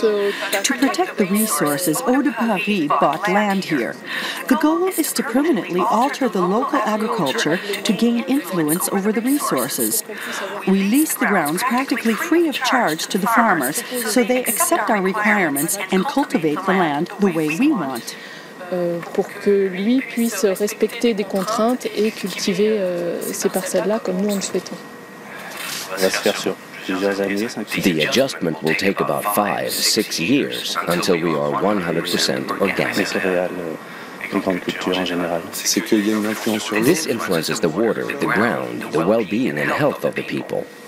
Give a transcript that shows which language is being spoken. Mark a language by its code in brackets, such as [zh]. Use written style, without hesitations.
[en] To protect the resources, Eau de Paris bought land here. The goal is to permanently alter the local agriculture to gain influence over the resources. We lease the grounds practically free of charge to the farmers, so they accept our requirements and cultivate the land the way we want. [fr] Pour que lui puisse respecter des contraintes et cultiver ces parcelles-là comme nous on le souhaitons. [en] The adjustment will take about 5-6 years until we are 100% organic. This influences the water, the ground, the well-being and health of the people.